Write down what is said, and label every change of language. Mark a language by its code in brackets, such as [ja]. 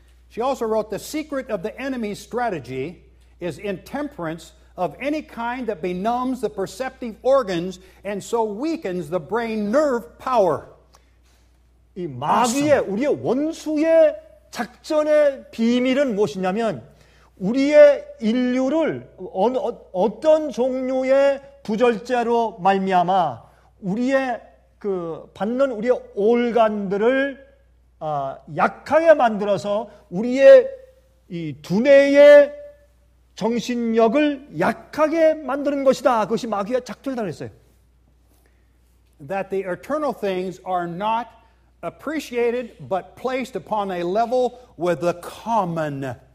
[en] She also wrote the secret of the enemy's strategy is intemperance. of any kind that benumbs the perceptive organs and so weakens the brain nerve power. [ko] 이 마귀의 우리의 원수의 작전의 비밀은 무엇이냐면 우리의 인류를 어떤 종류의 부절제로 말미암아 우리의 그 받는 우리의 오르간들을 약하게 만들어서 우리의 이 두뇌의 정신력을 약하게 만드는 것이다. 그것이 마귀의 작전이라고 했어요. [en] That the eternal things are not appreciated but placed upon a level with the common.